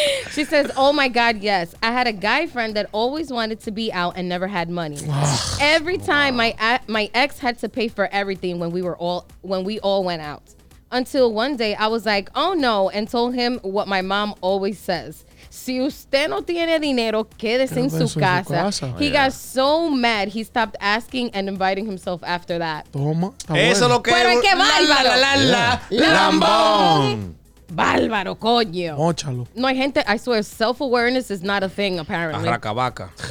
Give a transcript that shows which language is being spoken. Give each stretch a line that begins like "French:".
English: She says, oh my God, yes. I had a guy friend that always wanted to be out and never had money. Every time my ex had to pay for everything when we all went out. Until one day I was like, oh no, and told him what my mom always says.
Spanish: Si usted no tiene dinero, quédese en su casa.
English: He got so mad, he stopped asking and inviting himself after that.
Spanish: Toma. Eso lo que. Pero que bárbaro. La. Lambón. Bárbaro, coño. Móchalo. No hay gente,
English: I swear, self-awareness is not a thing, apparently.
Spanish: Arraca vaca.